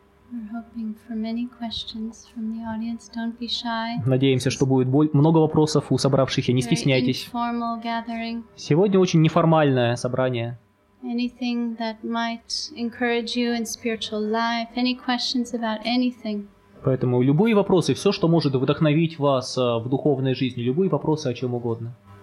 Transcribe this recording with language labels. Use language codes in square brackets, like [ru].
[en] We're hoping for many questions from the audience. Don't be shy. [ru] Надеемся, что будет много вопросов у собравшихся. Не стесняйтесь. [en] Very informal gathering. [ru] Сегодня очень неформальное собрание. [en] Anything that might encourage you in spiritual life. Any questions about anything. [ru] Поэтому любые вопросы, все, что может вдохновить вас в духовной жизни, любые вопросы о чем угодно.